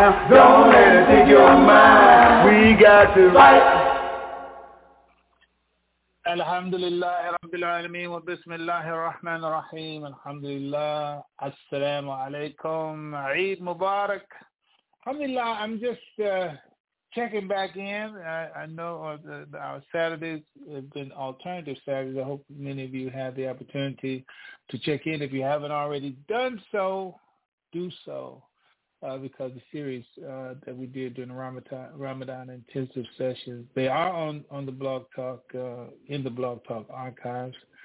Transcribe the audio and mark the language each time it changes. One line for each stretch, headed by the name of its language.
English: Don't let it take your mind. We got to fight.
Arabic: الحمد لله رب العالمين وبسم الله الرحمن الرحيم الحمد لله السلام عليكم عيد مبارك Alhamdulillah,
English: I'm just checking back in. I know our Saturdays have been alternative Saturdays. I hope many of you had the opportunity to check in. If you haven't already done so, do so, because the series that we did during the Ramadan intensive sessions, they are on the Blog Talk, in the Blog Talk archives.